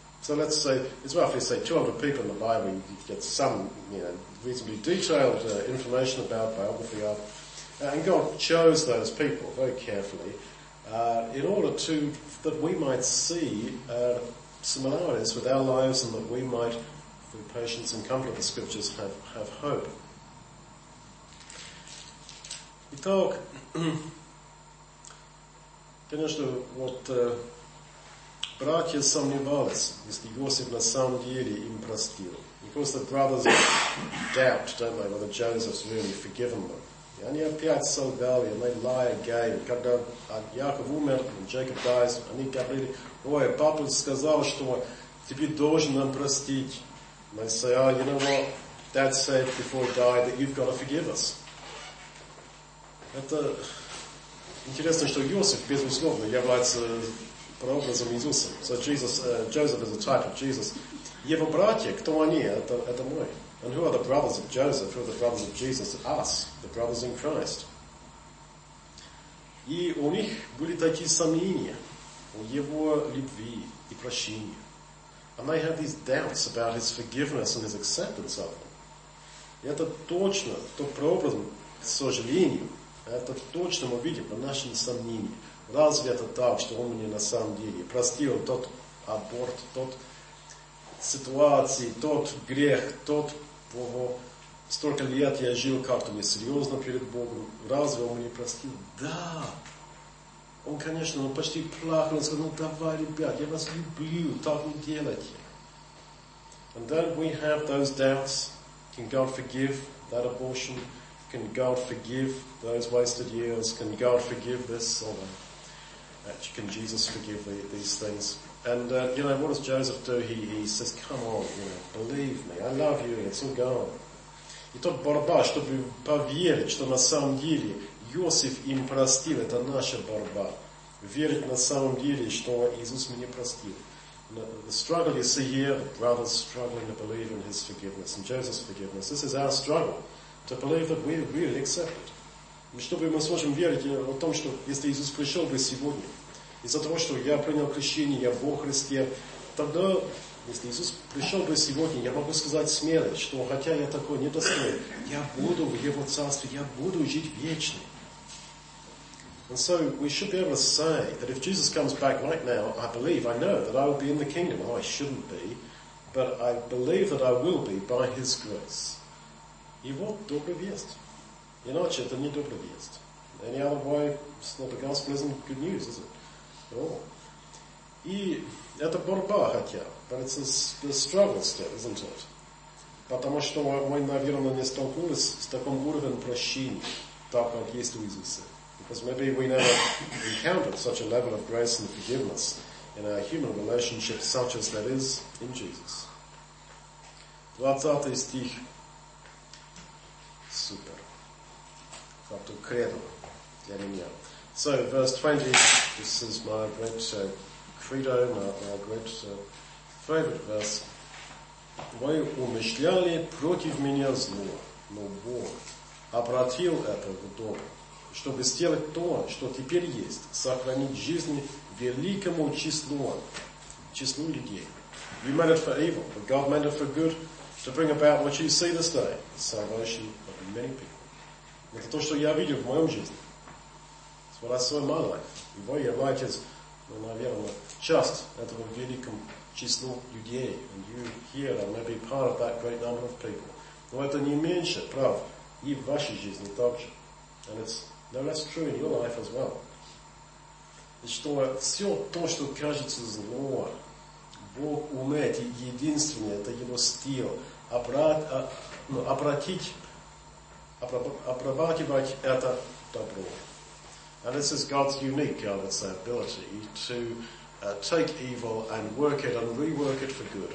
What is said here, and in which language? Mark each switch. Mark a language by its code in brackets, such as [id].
[en] So let's say, it's roughly say 200 people in the library, you get some, you know, reasonably detailed information about biography of, and God chose those people very carefully in order to, that we might see similarities with our lives and that we might, through patience and comfort of the scriptures, have hope. [ru] Итак, конечно, вот братья сомневались, если Иосиф на самом деле им простил. [en] Because the brothers doubt, don't they, whether Joseph's really forgiven them. [ru] И они опять солгали, [en] and they lie again. [ru] Когда Яков умер, [en] and Jacob dies, [ru] они говорили, ой, папа сказал, что тебе должен нам простить. [en] And they say, oh, you know what, Dad said before he died that you've got to forgive us. [ru] Это интересно, что Иосиф, безусловно, является прообразом Иисуса. [en] So Jesus, Joseph is a type of Jesus. [ru] Его братья, кто они? Это мы. [en] And who are the brothers of Joseph? Who are the brothers of Jesus? Us, the brothers in Christ. [ru] И у них были такие сомнения о его любви и прощении. [en] And they had these doubts about his forgiveness and his acceptance of them. [ru] И это точно, то прообразом, к сожалению, это точно мы видим по нашим сомнениям. Разве это так, что он мне на самом деле простил тот аборт, тот ситуации, тот грех, тот, Бога, столько лет я жил как-то несерьезно перед Богом, разве он мне простил? Да! Он, конечно, он почти плакал, он сказал, ну давай, ребят, я вас люблю, так не делайте. [en] And then we have those doubts. Can God forgive that abortion? Can God forgive those wasted years? Can God forgive this? Or can Jesus forgive these things? And, you know, what does Joseph do? He says, come on, you know, believe me. I love you. It's all gone. [ru] И тот борьба, чтобы поверить, что на самом деле Иосиф им простил. Это наша борьба. Верить на самом деле, что Иисус меня простил. [en] The struggle you see here, the brothers struggling to believe in his forgiveness and Joseph's forgiveness. This is our struggle. To believe that we're really accepted. [ru] Чтобы мы сможем верить о том, что если Иисус пришел бы сегодня, из-за того, что я принял крещение, я во Христе, тогда, если Иисус пришел бы сегодня, я могу сказать смело, что хотя я такой недостойный, я буду в Его Царстве, я буду жить вечно. [en] And so we should be able to say that if Jesus comes back right now, I believe, I know that I will be in the kingdom. Well, I shouldn't be, but I believe that I will be by His grace. [ru] И вот добрая весть. Иначе это не добрая весть. [en] Any other way, it's not the gospel, it isn't good news, is it? [ru] И это борьба хотя, [en] but it's a struggle still, isn't it? [ru] Потому что мы, наверное, не столкнулись с таким уровнем прощения, так как есть у Иисуса. [en] Because maybe we never encountered such a level of grace and forgiveness in our human relationship such as that is in Jesus. [ru] 20 стих. Супер. Факту кредо для меня. [en] So, verse 20, this is my great credo, my great favorite verse. [ru] Вы умышляли против меня зло, но Бог обратил это в добро, чтобы сделать то, что теперь есть, сохранить жизни великому числу людей. [en] You meant it for evil, but God meant it for good, to bring about what you see this day, the salvation of many people. [ru] Это то, что я видел в моем жизни. [en] It's what I saw in my life. [ru] И вы являетесь, ну, наверное, часть этого великого числа людей. [en] And you here are maybe part of that great number of people. [ru] Но это не меньше прав и в вашей жизни также. [en] And it's no less true in your life as well. [ru] И что все то, что кажется зло, Бог умеет, единственное, это его стиль, обрабатывать это добро. [en] And this is God's unique, I would say, ability to take evil and work it and rework it for good.